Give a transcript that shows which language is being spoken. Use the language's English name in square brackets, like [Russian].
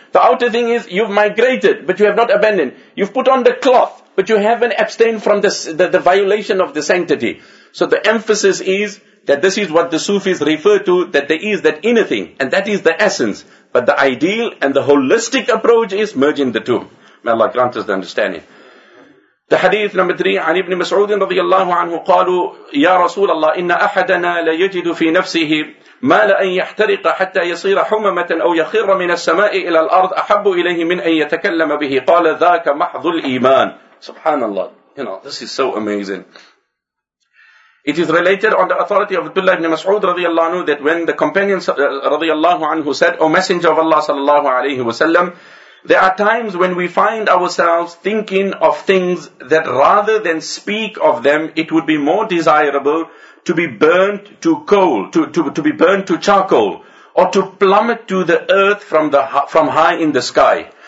[English] The outer thing is you've migrated, but you have not abandoned. You've put on the cloth, but you haven't abstained from the violation of the sanctity. So the emphasis is that this is what the Sufis refer to, that there is that inner thing, and that is the essence. But the ideal and the holistic approach is merging the two. May Allah grant us the understanding. [Arabic] The hadith number 3, عن ابن مسعود رضي الله عنه قالوا يا رسول الله إن أحدنا ليجد في نفسه ما لأن يحترق حتى يصير حممة أو يخر من السماء إلى الأرض أحب إليه من أن يتكلم به قال ذاك محض الإيمان. سبحان الله. [English] You know, this is so amazing. It is related on the authority of Abdullah ibn Mas'ud radiyallahu anhu that when the companion radiyallahu anhu said, O Messenger of Allah sallallahu alayhi wa sallam, there are times when we find ourselves thinking of things that rather than speak of them, it would be more desirable to be burnt to coal, to be burnt to charcoal, or to plummet to the earth from high in the sky.